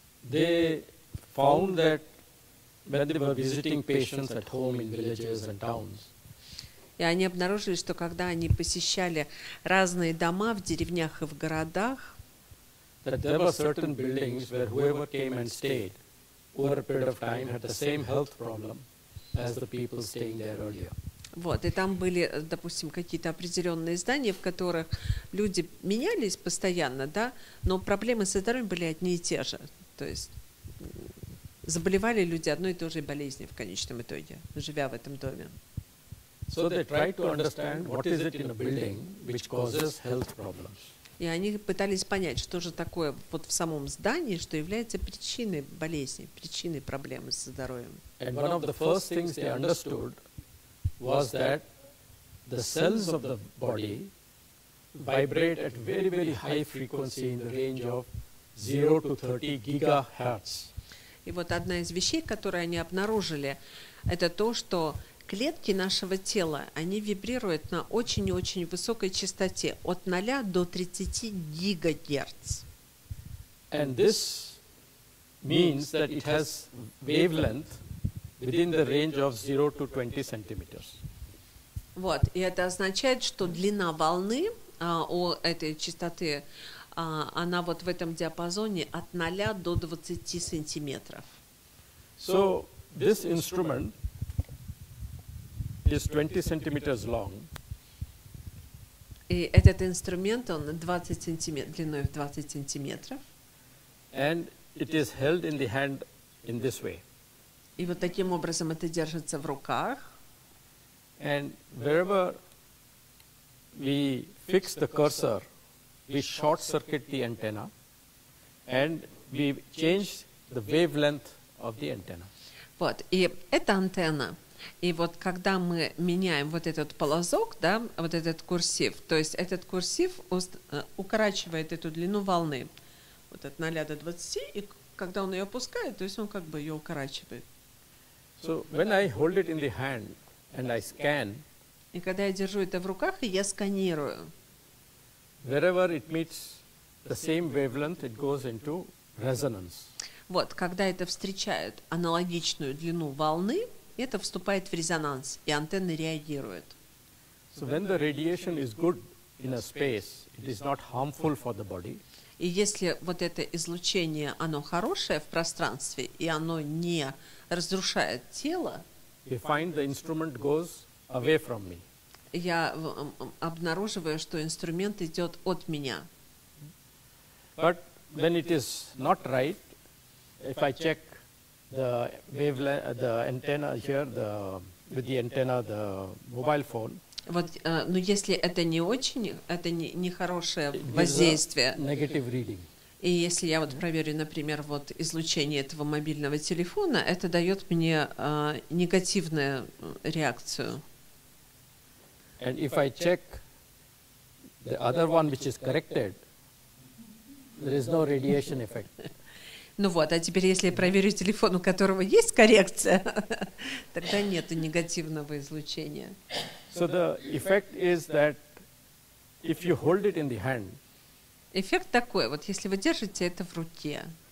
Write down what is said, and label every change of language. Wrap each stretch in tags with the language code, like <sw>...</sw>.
<en>they found that when they were visiting patients at home in villages and towns.</en> <ru>И они обнаружили, что когда они посещали разные дома в деревнях и в городах,</ru> <en>that there were certain buildings where whoever came and stayed over a period of time had the same health problem as the people staying there earlier.</en> <ru>Вот, и там были, допустим, какие-то определенные здания, в которых люди менялись постоянно, да, но проблемы со здоровьем были одни и те же. То есть заболевали люди одной и той же болезнью в конечном итоге, живя в этом доме.</ru> <en>So they tried to understand what is it in a building which causes health problems.</en> <ru>И они пытались понять, что же такое вот в самом здании, что является причиной болезни, причиной проблемы со здоровьем.</ru> <en>And one of the first things they understood was that the cells of the body vibrate at very, very high frequency in the range of 0 to 30 gigahertz.</en> <ru>И вот одна из вещей, которые они обнаружили, это то, что клетки нашего тела, они вибрируют на очень-очень высокой частоте, от 0 до 30 гигагерц.</ru> <en>And this means that it has wavelength within the range of 0 to 20 centimeters.</en> <ru>Вот, и это означает, что длина волны у этой частоты, она вот в этом диапазоне от 0 до 20 сантиметров.</ru> <en>So, this instrument is 20 centimeters long.</en> <ru>И этот инструмент, он 20 сантиметров, длиной в 20 сантиметров.</ru> <en>And it is held in the hand in this way.</en> <ru>И вот таким образом это держится в руках.</ru> <en>And wherever we fix the cursor, we short circuit the antenna and we change the wavelength of the antenna.</en> <ru>Вот, и эта антенна, и вот когда мы меняем вот этот полозок, да, вот этот курсив, то есть этот курсив укорачивает эту длину волны, вот от 0 до 20, и когда он ее опускает, то есть он как бы ее укорачивает.</ru> <en>So when I hold it in the hand and I scan,</en> <ru>и когда я держу это в руках и я сканирую,</ru> <en>wherever it meets the same wavelength, it goes into resonance.</en> <ru>Вот, когда это встречает аналогичную длину волны, это вступает в резонанс, и антенны реагируют.</ru> <en>So when the radiation is good in a space, it is not harmful for the body.</en> <ru>И если вот это излучение, оно хорошее в пространстве, и оно не разрушает тело,</ru> <en>we find the instrument goes away from me.</en> <ru>Я обнаруживаю, что инструмент идет от меня.</ru> <en>But when it is not right, if I check the wavelength, the antenna here, the with the antenna, the mobile phone.</en> <ru>Вот, но если это не очень, это не хорошее воздействие.</ru> <en>Negative reading.</en> <ru>И если я вот проверю, например, вот излучение этого мобильного телефона, это дает мне негативную реакцию.</ru> <en>And if I check the other one, which is corrected, there is no radiation effect.</en> <ru>Ну вот, а теперь если я проверю телефон, у которого есть коррекция, тогда нет негативного излучения.</ru> <en>So the effect is that if you hold it in the hand,</en> <ru>эффект такой, вот если вы держите это в руке.</ru>